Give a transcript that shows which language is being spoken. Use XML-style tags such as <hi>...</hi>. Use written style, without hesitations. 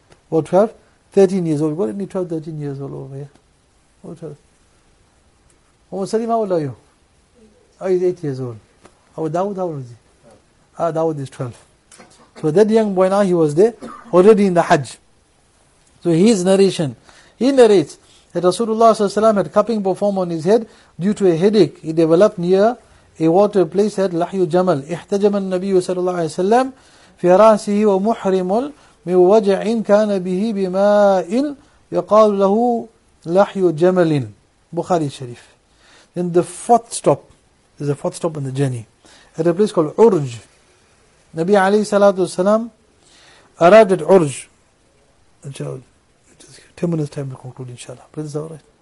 <en>About 12, 13 years old. What did he 12, 13 years old over here? About 12. Umar Salim, how old are you? Oh, he's 8 years old. Abu Dawud, how old is he? Dawud is 12. So that young boy now, he was there, already in the Hajj. So his narration, he narrates that Rasulullah ﷺ had cupping performed on his head due to a headache. He developed near a water place at Lahyu Jamal.</en> <ar>احتجم النبي صلى الله عليه وسلم في رأسه ومحرم من وجع كان به بماء يقال له لحيو جمل.</ar> <en>Bukhari Sharif. Then the fourth stop, is the fourth stop on the journey, at a place called Urj. Nabi alayhi salatu wasalam arrived at Urj. Inshallah, 10 minutes time to conclude, inshallah. But is that alright?</en>